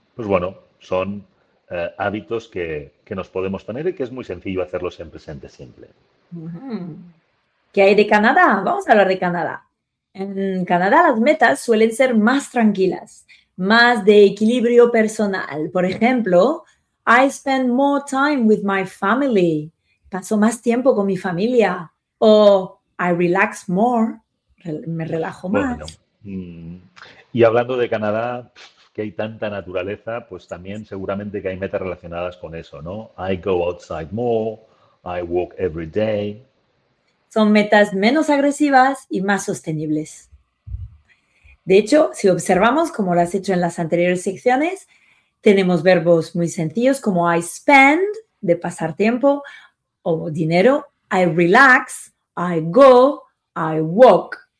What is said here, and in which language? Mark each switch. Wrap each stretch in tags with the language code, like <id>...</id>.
<es>Pues bueno, son hábitos que nos podemos poner y que es muy sencillo hacerlos en presente simple. ¿Qué hay de Canadá? Vamos a hablar de Canadá. En Canadá las metas suelen ser más tranquilas, más de equilibrio personal. Por ejemplo,</es> <en>I spend more time with my family.</en> <es>Paso más tiempo con mi familia. O</es> <en>I relax more.</en> <es>Me relajo más. Bueno, y hablando de Canadá, que hay tanta naturaleza, pues también seguramente que hay metas relacionadas con eso, ¿no?</es> <en>I go outside more, I walk every day.</en> <es>Son metas menos agresivas y más sostenibles. De hecho, si observamos, como lo has hecho en las anteriores secciones, tenemos verbos muy sencillos como</es> <en>I spend,</en> <es>de pasar tiempo, o dinero,</es> <en>I relax, I go, I walk.</en>